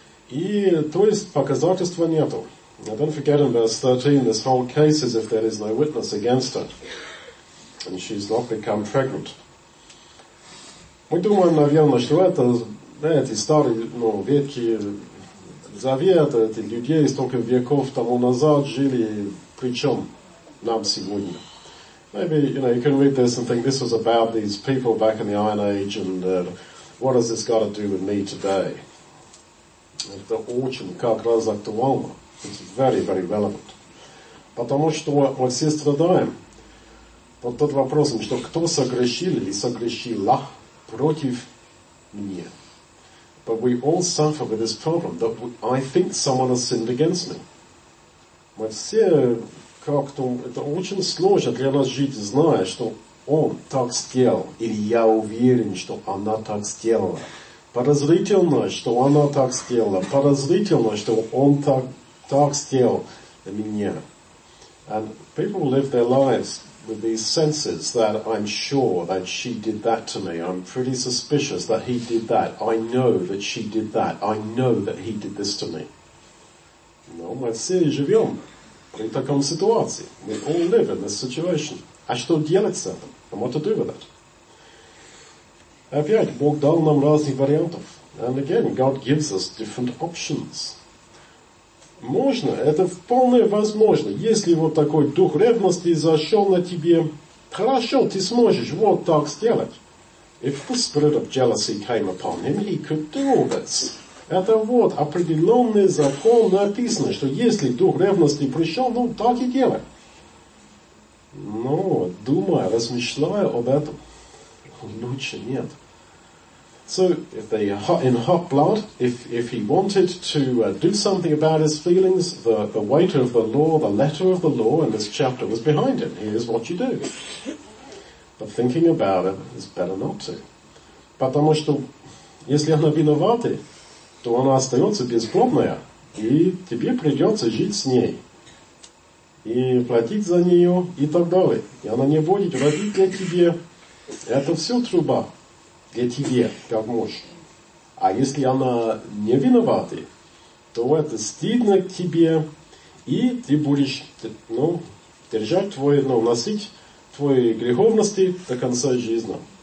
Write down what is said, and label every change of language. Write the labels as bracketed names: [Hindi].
[Russian] И, то есть, показательства нету. [English] Now don't forget in verse 13, this whole case is if there is no witness against her, and she's not become pregnant. [Russian] Мы думаем, наверное, что это, знаете, старые, ну, ветки завета, эти людей столько веков тому назад жили, причем нам сегодня. [English] Maybe, you know, you can read this and think this was about these people back in the Iron Age, and what has this got to do with me today? [Russian] Это очень как раз актуально. [English] It's very, very relevant. [Russian] Потому что мы все страдаем под тот вопросом, что кто согрешил или согрешила против меня. [English] But we all suffer with this problem that I think someone has sinned against me. [Russian] Мы все как-то... Это очень сложно для нас жить, зная, что он так сделал, или я уверен, что она так сделала. Подозрительно, что она так сделала. Подозрительно, что он так... Dark steel, the minyan. [English] And people live their lives with these senses that I'm sure that she did that to me. I'm pretty suspicious that he did that. I know that she did that. I know that he did this to me. [Russian] Но мы все живем при таком ситуации. [English] We all live in this situation. [Russian] А что делать с этим? [English] And what to do with it? [Russian] Опять, Бог дал нам разных вариантов. [English] And again, God gives us different options. [Russian] Можно, это вполне возможно. Если вот такой дух ревности зашел на тебе, хорошо, ты сможешь вот так сделать. [English] If the spirit of jealousy came upon him, he could do all this. [Russian] Это вот определенный закон написано, что если дух ревности пришел, ну так и делай. Но, думая, размышляя об этом, лучше нет. [English] So, if they in hot blood, if he wanted to do something about his feelings, the weight of the law, the letter of the law in this chapter was behind him. Here's what you do. But thinking about it is better not to. [Russian] Потому что если она виновата, то она остается безгодная, и тебе придется жить с ней и платить за нее и так далее. И она не будет родить для тебя. Это все труба. Для тебя, как муж. А если она не виновата, то это стыдно к тебе, и ты будешь, ну, держать твой, ну, носить твои греховности до конца жизни.